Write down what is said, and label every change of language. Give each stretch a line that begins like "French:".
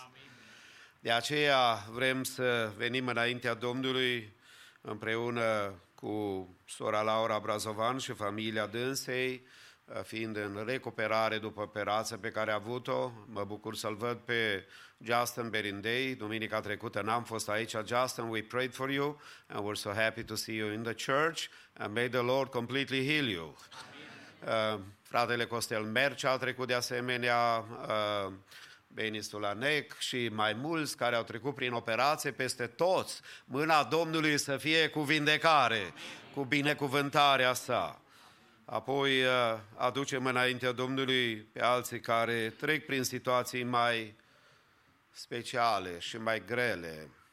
Romanian: Amin. De aceea vrem să venim înaintea Domnului împreună cu sora Laura Brazovan și familia dânsei, fiind în recuperare după operația pe care a avut-o. Mă bucur să-l văd pe Justin Berindei. Duminica trecută n-am fost aici.
English: Justin, we prayed for you and we're so happy to see you in the church and may the Lord completely heal you.
Romanian: Fratele Costel Mercea a trecut de asemenea, Benistul Anec și mai mulți care au trecut prin operație, peste toți, mâna Domnului să fie cu vindecare, cu binecuvântarea sa. Apoi aducem înaintea Domnului pe alții care trec prin situații mai speciale și mai grele.